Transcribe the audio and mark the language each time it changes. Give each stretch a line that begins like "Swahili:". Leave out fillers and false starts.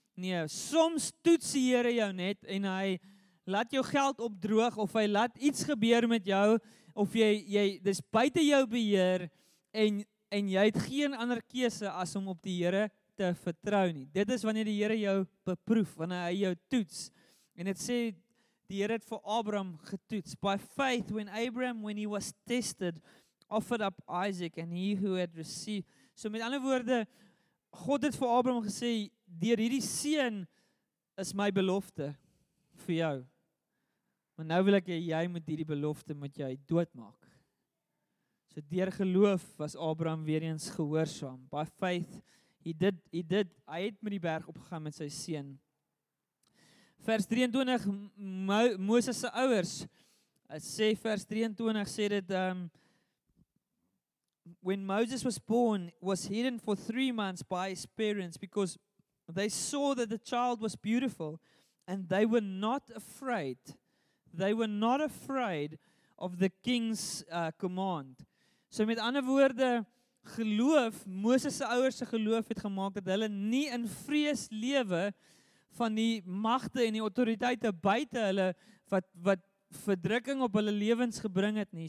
Afrikaans: Nee, soms toets die Here jou net en hy laat jou geld opdroog of hy laat iets gebeur met jou of jy dis buite jou beheer en jy het geen ander keuse as om op die Here te vertrou nie. Dit is wanneer die Here jou beproef, wanneer hy jou toets. En dit sê, die Here het vir Abraham getoets.
English: By faith, when he was tested, offered up Isaac and he who had received.
Afrikaans: So met ander woorde, God het vir Abraham gesê, deur hierdie seun is my belofte vir jou. Maar nou wil ek jy moet hierdie belofte met jou doodmaak. So deur geloof was Abraham weer eens gehoorsaam.
English: By faith,
Afrikaans: hy het met die berg opgegaan met sy seun. Vers 23, Moses se ouers, sê vers 23, sê dit,
English: when Moses was born, was hidden for 3 months by his parents, because they saw that the child was beautiful, and they were not afraid. They were not afraid of the king's command.
Afrikaans: So met ander woorde, geloof, Moses se ouers se geloof het gemaak dat hulle nie in vrees lewe van die magte en die autoriteite buite hulle wat verdrukking op hulle lewens gebring het nie.